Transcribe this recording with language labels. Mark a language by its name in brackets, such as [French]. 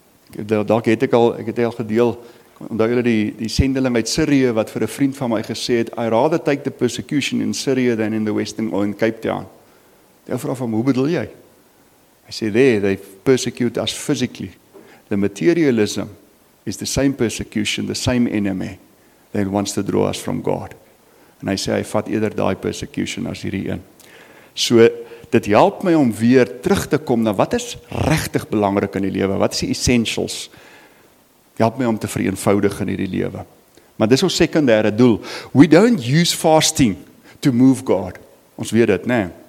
[Afrikaans] Ek het al gedeel, omdat jy die sendeling uit Sirië, wat vir 'n vriend van my gesê het, [English] I rather take the persecution in Syria than in the Western or in Cape Town. [Afrikaans] Ek vraag van, hoe bedoel jy? Hy sê, [English] there, they persecute us physically. The materialism is the same persecution, the same enemy, that wants to draw us from God. [Afrikaans] En hy sê, hy vat eerder die persecution as hierdie een. So, dit help my om weer terug te kom na wat is regtig belangrik in die lewe, wat is die essentials? Help my om te vereenvoudig in hierdie lewe. Maar dis ons sekundêre doel. [English] We don't use fasting to move God. [Afrikaans] Ons weet dit, né?